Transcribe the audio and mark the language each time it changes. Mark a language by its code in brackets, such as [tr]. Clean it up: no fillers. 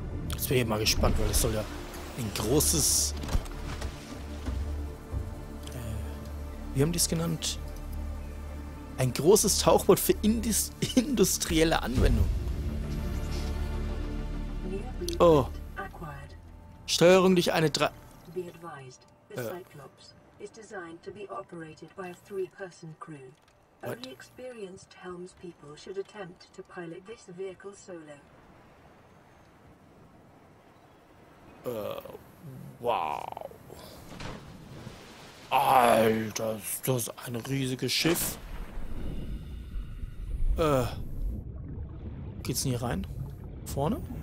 [de] Jetzt bin ich mal gespannt, weil das soll ja ein großes... wie haben die es genannt? Ein großes Tauchboot für industrielle Anwendung. Oh. Steuerung durch eine Drei... [en] Be advised, the Cyclops is designed to be operated by a three-person crew. Only experienced Helms people should attempt to pilot this vehicle solo. Wow. [de] Alter, das ist ein riesiges Schiff. Geht's denn hier rein? Vorne?